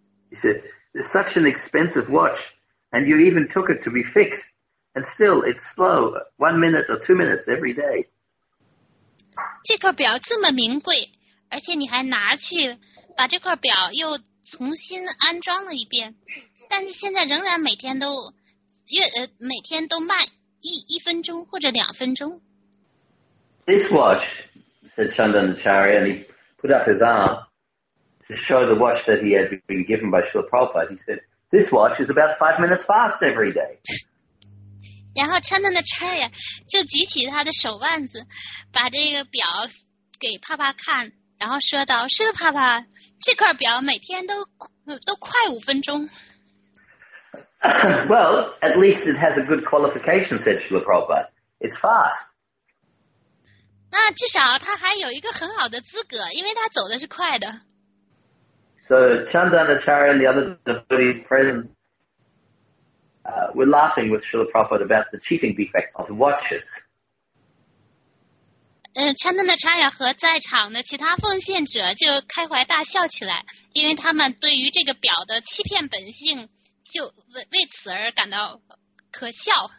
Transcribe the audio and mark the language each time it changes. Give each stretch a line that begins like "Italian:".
English: He said, it's such an expensive watch, and you even took it to be fixed. And still, it's slow, 1 minute or 2 minutes every day.
Chinese: 这块表这么名贵，而且你还拿去把这块表又重新安装了一遍，但是现在仍然每天都每天都慢一分钟或者两分钟。
English: This watch, said Chandanacharya, and he put up his arm to show the watch that he had been given by Srila Prabhupada. He said, this watch is about 5 minutes fast every day.
Chinese: 然后 Chandanacharya 就举起他的手腕子把这个表给帕帕看，然后说道，是的帕帕，这块表每天都快五分钟。
English: Well, at least it has a good qualification, said Srila Prabhupada. It's fast.
Chinese: 那至少他还有一个很好的资格，因为他走的是快的。
English: So Chandanacharya and the other devotees present were laughing with Srila Prabhupada about the cheating defects of the watches.
Chinese: Chandana Acharya 和在场的其他奉献者就开怀大笑起来，因为他们对于这个表的欺骗本性就 为此而感到可笑。